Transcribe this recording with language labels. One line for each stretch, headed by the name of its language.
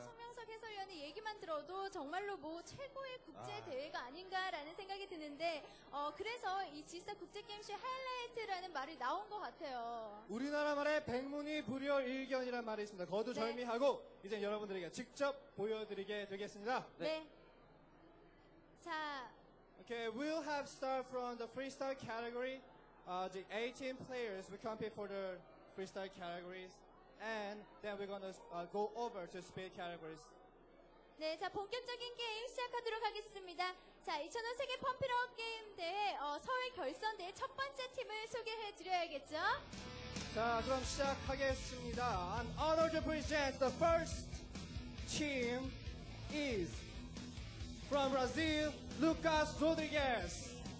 Korean: 이렇게 송명석 해설위원의 얘기만 들어도 정말로 뭐 최고의 국제 대회가 아닌가라는 생각이 드는데 그래서 이 G스타 국제게임쇼 하이라이트라는 말이 나온 것 같아요. 우리나라 말에 백문이 불여일견이라는 말이 있습니다. 거두절미하고 네. 이제 여러분들에게 직접 보여드리게 되겠습니다. 네. 자,
English: okay, we'll have start from the freestyle category. The 18 players will compete for the freestyle categories. And then we're going to go over to speed categories.
Korean: 네, 자, 본격적인 게임 시작하도록 하겠습니다. 자, 2005 세계 펌필업 게임 대회 서울 결선 대회 첫 번째 팀을 소개해 드려야겠죠? 자, 그럼 시작하겠습니다.
English: An honor to present the first team is from Brazil, Lucas Rodriguez.